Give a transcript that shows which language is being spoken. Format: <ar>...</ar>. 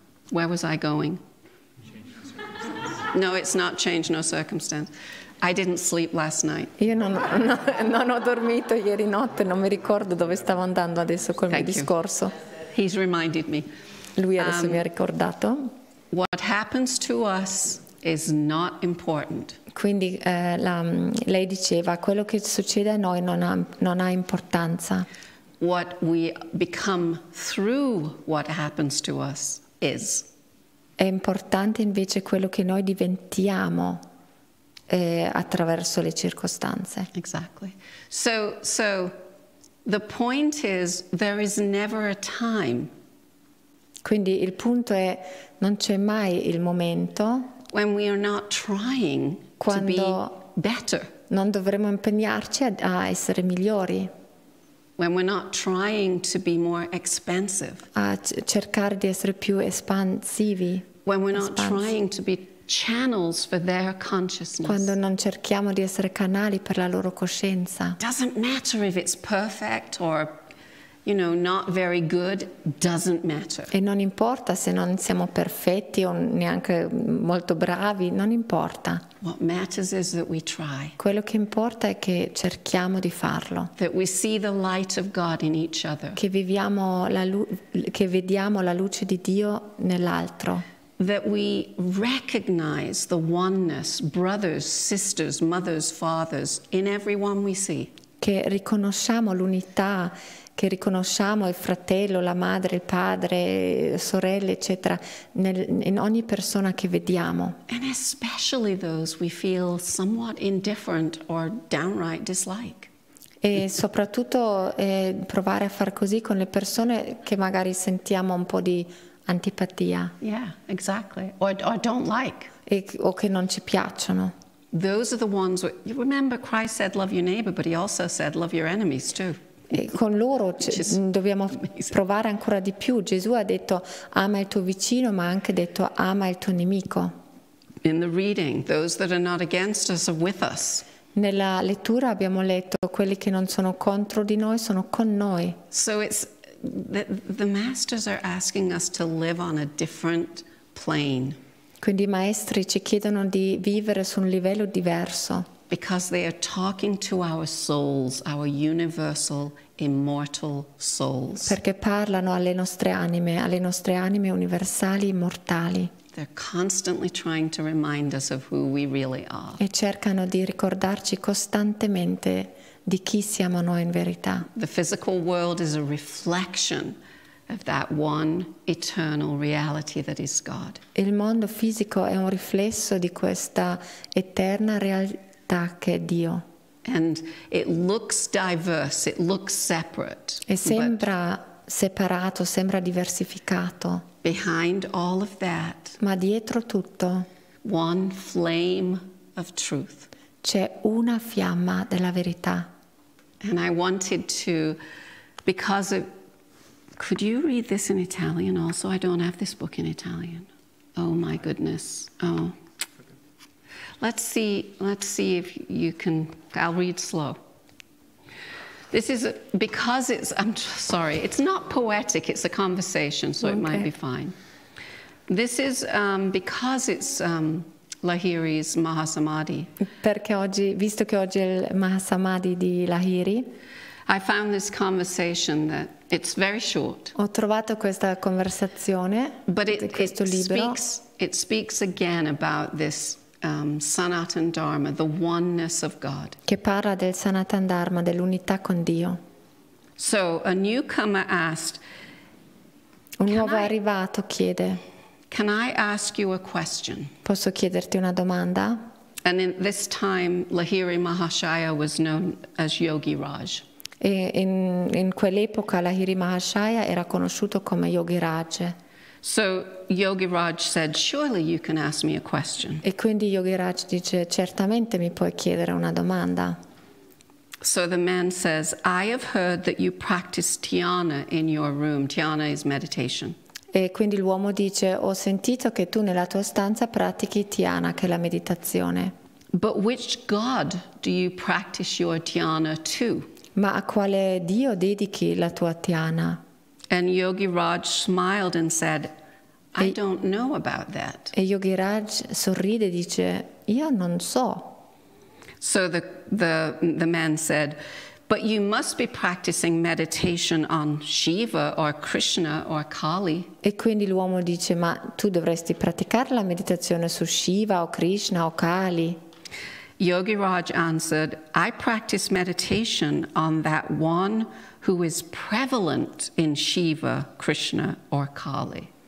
<en>Where was I going? No, it's not change, no circumstance. I didn't sleep last night.</en> <it>Io non ho dormito ieri notte, non mi ricordo dove stavo andando adesso col mio discorso.</it> <en>He's reminded me.</en> <it>Lui adesso mi ha ricordato.</it> <en>What happens to us is not important.</en> <it>Quindi lei diceva, quello che succede a noi non ha importanza.</it> <en>What we become through what happens to us is.</en> <it>È importante invece quello che noi diventiamo attraverso le circostanze.</it> <en>Exactly. So the point is there is never a time.</en> <it>Quindi il punto è non c'è mai il momento</it> <en>when we are not trying to be better.</en> <it>Non dovremmo impegnarci a essere migliori.</it> <en>When we're not trying to be more expansive.</en> <it>A cercare di essere più espansivi.</it> <en>When we're not trying to be channels for their consciousness.</en> <it>Quando non cerchiamo di essere canali per la loro coscienza.</it> <en>Doesn't matter if it's perfect or, you know, not very good, doesn't matter.</en> <it>E non importa se non siamo perfetti o neanche molto bravi, non importa.</it> <en>What matters is that we try.</en> <it>Quello che importa è che cerchiamo di farlo.</it> <en>That we see the light of God in each other.</en> <it>Che viviamo che vediamo la luce di Dio nell'altro.</it> <en>That we recognize the oneness, brothers, sisters, mothers, fathers, in everyone we see.</en> <it>Che riconosciamo l'unità, che riconosciamo il fratello, la madre, il padre, sorelle, eccetera, in ogni persona che vediamo.</it> <en>And especially those we feel somewhat indifferent or downright dislike.</en> <it>E soprattutto provare a far così con le persone che magari sentiamo un po' di antipatia.</it> <en>Yeah, exactly. Or don't like.</en> <it>O che non ci piacciono.</it> <en>Those are the ones where, you remember Christ said love your neighbor, but he also said love your enemies too.</en> <it>E con loro dobbiamo provare ancora di più. Gesù ha detto ama il tuo vicino, ma ha anche detto ama il tuo nemico.</it> <en>In the reading, those that are not against us are with us.</en> <it>Nella lettura abbiamo letto quelli che non sono contro di noi sono con noi.</it> <en>So it's the masters are asking us to live on a different plane.</en> <it>Quindi i maestri ci chiedono di vivere su un livello diverso.</it> <en>Because they are talking to our souls, our universal, immortal souls.</en> <it>Perché parlano alle nostre anime universali, immortali.</it> <en>They're constantly trying to remind us of who we really are.</en> <it>E cercano di ricordarci costantemente di chi siamo noi in verità.</it> <en>The physical world is a reflection of that one eternal reality that is God.</en> <it>Il mondo fisico è un riflesso di questa eterna realtà che è Dio.</it> <en>And it looks diverse, it looks separate.</en> <it>E sembra separato, sembra diversificato.</it> <en>Behind all of that,</en> <it>ma dietro tutto,</it> <en>one flame of truth.</en> <it>C'è una fiamma della verità.</it> <en>And I wanted to, because of, could you read this in Italian also? I don't have this book in Italian. Oh my goodness. Oh. Let's see if you can, I'll read slow. This is, because it's, I'm sorry, it's not poetic, it's a conversation, so okay. It might be fine. This is, because it's, Lahiri's Mahasamadhi.</en> <it>Perché oggi, visto che oggi è il Mahasamadhi di Lahiri,</it> <en>I found this conversation that it's very short.</en> <it>Ho trovato questa conversazione di questo libro.</it> <en>It speaks again about this Sanatan Dharma, the oneness of God.</en> <it>Che parla del Sanatan Dharma, dell'unità con Dio.</it> <en>So a newcomer asked.</en> <it>Un nuovo arrivato chiede.</it> <en>Can I ask you a question?</en> <it>Posso chiederti una domanda?</it> <en>And in this time, Lahiri Mahashaya was known as Yogi Raj.</en> <it>E in quell'epoca Lahiri Mahashaya era conosciuto come Yogi Raj.</it> <en>So Yogi Raj said, "Surely you can ask me a question."</en> <it>E quindi Yogi Raj dice, "Certamente mi puoi chiedere una domanda."</it> <en>So the man says, "I have heard that you practice Dhyana in your room. Dhyana is meditation."</en> <it>E quindi l'uomo dice, ho sentito che tu nella tua stanza pratichi Dhyana, che è la meditazione.</it> <en>But which God do you practice your Dhyana to?</en> <it>Ma a quale Dio dedichi la tua Dhyana?</it> <en>And Yogi Raj smiled and said, I don't know about that.</en> <it>E Yogi Raj sorride e dice, io non so.</it> <en>So the man said, but you must be practicing meditation on Shiva or Krishna or Kali.</en> <it>E quindi l'uomo dice, ma tu dovresti praticare la meditazione su Shiva o Krishna o Kali.</it> <en>Yogiraj answered, I practice meditation on that one who is prevalent in Shiva, Krishna or Kali.</en>